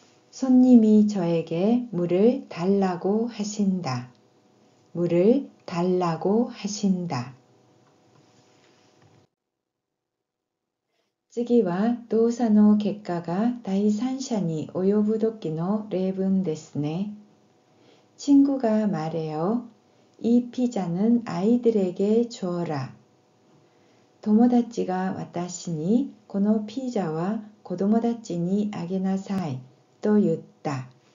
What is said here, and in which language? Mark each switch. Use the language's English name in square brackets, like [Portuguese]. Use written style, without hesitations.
[Korean] 손님이저에게물을달라고하신다。 물을달라고하신다。 [Japanese] 次は動作の結果が第三者に及ぶ時の例文ですね。 [Korean] 친구が말해요。 이피자는아이들에게주어라。 [Japanese] 友達が私にこのピザは子供たちにあげなさいと言った。